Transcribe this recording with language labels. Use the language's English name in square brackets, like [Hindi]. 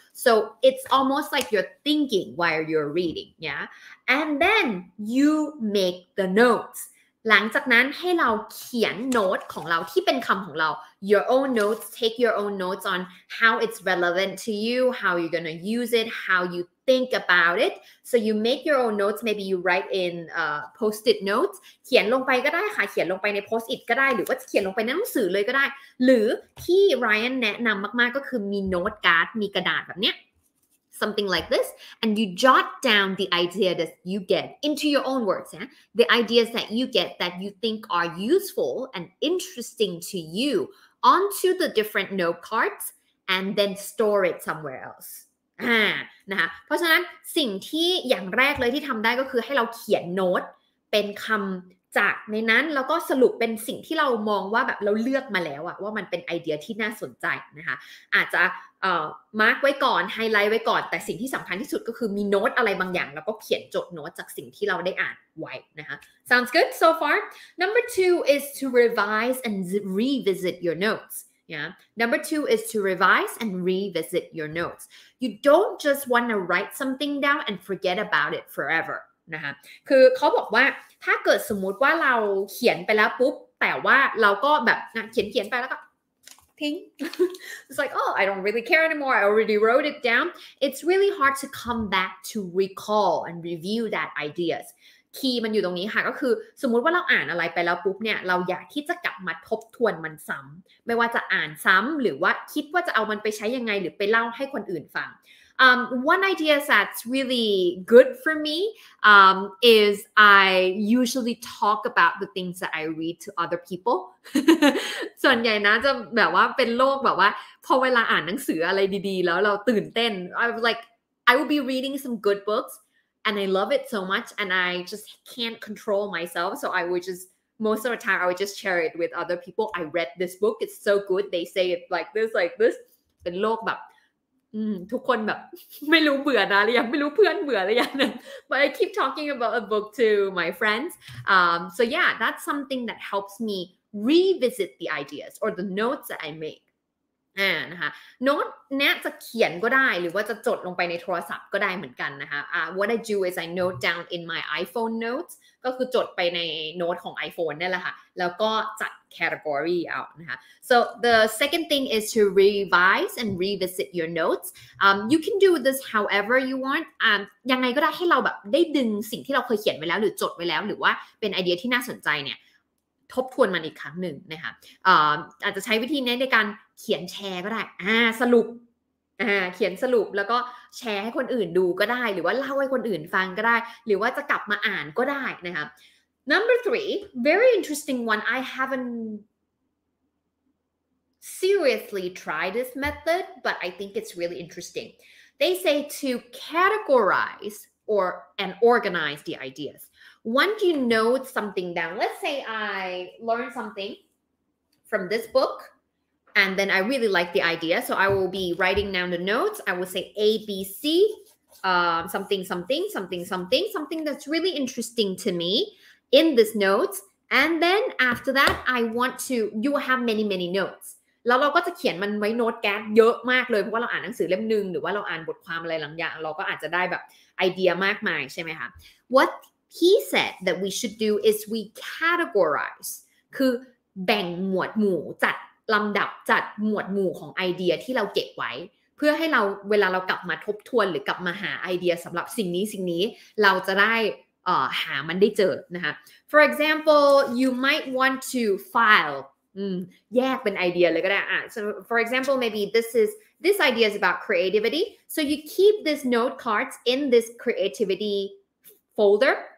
[English] So it's almost like you're thinking while you're reading, yeah? And then you make the notes. [Thai] หลังจากนั้นให้เราเขียนโน้ตของเราที่เป็นคำของเรา [English] Your own notes, take your own notes on how it's relevant to you, how you're gonna use it, how you think about it. So you make your own notes, maybe you write in post-it notes. [Thai] เขียนลงไปก็ได้ค่ะเขียนลงไปใน post-it ก็ได้หรือว่าเขียนลงไปในหนังสือเลยก็ได้หรือที่ Ryan แนะนำมากๆก็คือมีโน้ตการ์ดมีกระดาษแบบเนี้ย [English] Something like this. And you jot down the idea that you get into your own words. Yeah? The ideas that you get that you think are useful and interesting to you onto the different note cards and then store it somewhere else. [Thai] นะคะเพราะฉะนั้นสิ่งที่อย่างแรกเลยที่ทำได้ก็คือให้เราเขียนโน้ตเป็นคำจากในนั้นแล้วก็สรุปเป็นสิ่งที่เรามองว่าแบบเราเลือกมาแล้วอะว่ามันเป็นไอเดียที่น่าสนใจนะคะอาจจะมาร์กไว้ก่อนไฮไลท์ไว้ก่อนแต่สิ่งที่สำคัญที่สุดก็คือมีโน้ตอะไรบางอย่างแล้วก็เขียนจดโน้ตจากสิ่งที่เราได้อ่านไว้นะคะ [English] sounds good so far number two is to revise and revisit your notesYeah. Number two is to revise and revisit your notes. You don't just want to write something down and forget about it forever. [Thai] นะคะคือเขาบอกว่าถ้าเกิดสมมติว่าเราเขียนไปแล้วปุ๊บแต่ว่าเราก็แบบเขียนไปแล้วก็ทิ้ง [English] It's like, oh, I don't really care anymore. I already wrote it down. It's really hard to come back to recall and review that ideas. [Thai] คีย์มันอยู่ตรงนี้ค่ะก็คือสมมุติว่าเราอ่านอะไรไปแล้วปุ๊บเนี่ยเราอยากที่จะกลับมาทบทวนมันซ้ำไม่ว่าจะอ่านซ้ำหรือว่าคิดว่าจะเอามันไปใช้ยังไงหรือไปเล่าให้คนอื่นฟัง [English] one idea that's really good for me is I usually talk about the things that I read to other people [Thai] ส่วนใหญ่นะจะแบบว่าเป็นโลกแบบว่าพอเวลาอ่านหนังสืออะไรดีๆแล้วเราตื่นเต้น [English] I will be reading some good booksAnd I love it so much, and I just can't control myself. So I would just, most of the time, I would just share it with other people. I read this book. It's so good. They say it like this. [Thai] เป็นโลกแบบทุกคนแบบไม่รู้เบื่อนะหรือยังไม่รู้เพื่อนเบื่อหรือยังนะ [English] But I keep talking about a book to my friends. So yeah, that's something that helps me revisit the ideas or the notes that I make. [Thai] นะคะโน้ตเนี่ยจะเขียนก็ได้หรือว่าจะจดลงไปในโทรศัพท์ก็ได้เหมือนกันนะคะ [English] what I do is I note down in my iPhone notes [Thai] ก็คือจดไปในโน้ตของ iPhone นี่แหละค่ะแล้วก็จัด category เอานะคะ [English] so the second thing is to revise and revisit your notes you can do this however you want [Thai] ยังไงก็ได้ให้เราแบบได้ดึงสิ่งที่เราเคยเขียนไว้แล้วหรือจดไว้แล้วหรือว่าเป็นไอเดียที่น่าสนใจเนี่ยทบทวนมันอีกครั้งหนึ่งนะคะอาจจะใช้วิธีนี้ในการเขียนแชร์ก็ได้สรุป เขียนสรุปแล้วก็แชร์ให้คนอื่นดูก็ได้หรือว่าเล่าให้คนอื่นฟังก็ได้หรือว่าจะกลับมาอ่านก็ได้นะครับ [English] Number 3 very interesting one I haven't seriously tried this method but I think it's really interesting they say to categorize or and organize the ideas once you know something down let's say I learn something from this bookAnd then I really like the idea, so I will be writing down the notes. I will say A, B, C, something, something, something, something, something that's really interesting to me in this note. And then after that, I want to, you will have many, many notes. [Thai] แล้วเราก็จะเขียนมันไว้โน้ตแก๊ปเยอะมากเลยเพราะว่าเราอ่านหนังสือเล่มหนึ่งหรือว่าเราอ่านบทความอะไรหลังอย่างเราก็อาจจะได้แบบไอเดียมากมายใช่ไหมคะ [English] What he said that we should do is we categorize. [Thai] คือแบ่งหมวดหมู่จัดลำดับจัดหมวดหมู่ของไอเดียที่เราเก็บไว้เพื่อให้เราเวลาเรากลับมาทบทวนหรือกลับมาหาไอเดียสำหรับสิ่งนี้สิ่งนี้เราจะได้หามันได้เจอนะคะ [English] For example you might want to file [Thai] แยกเป็นไอเดียเลยก็ได้ [English] so for example maybe this idea is about creativity so you keep this note cards in this creativity folder